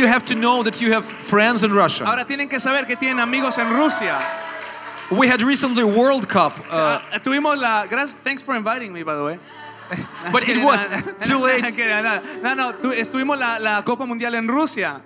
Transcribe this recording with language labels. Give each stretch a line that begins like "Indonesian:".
English: You have to know that you have friends in Russia.
Spanish: Ahora tienen que saber que tienen amigos en Rusia.
English: We had recently World Cup.
Spanish: Tuvimos la, gracias,
English: thanks for inviting me, by the way. But it was too late.
Spanish: No. Estuvimos la Copa Mundial en Rusia.